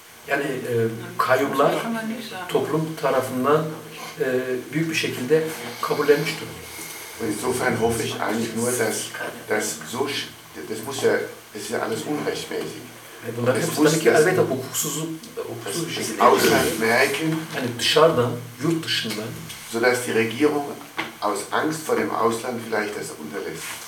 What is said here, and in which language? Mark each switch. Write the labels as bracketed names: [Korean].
[Turkish] Yani kayyumlar toplum tarafından büyük bir şekilde kabullenmiş durumda. [German] Insofern hoffe ich eigentlich nur, dass das so, das muss ja, das ist ja alles unrechtmäßig. [Turkish] Bunlar hepsi tabii ki elbette hukuksuz bir şekilde ausmerken, yani dışarıdan, yurt dışından, [German] so dass die Regierung aus Angst vor dem Ausland vielleicht das unterlässt.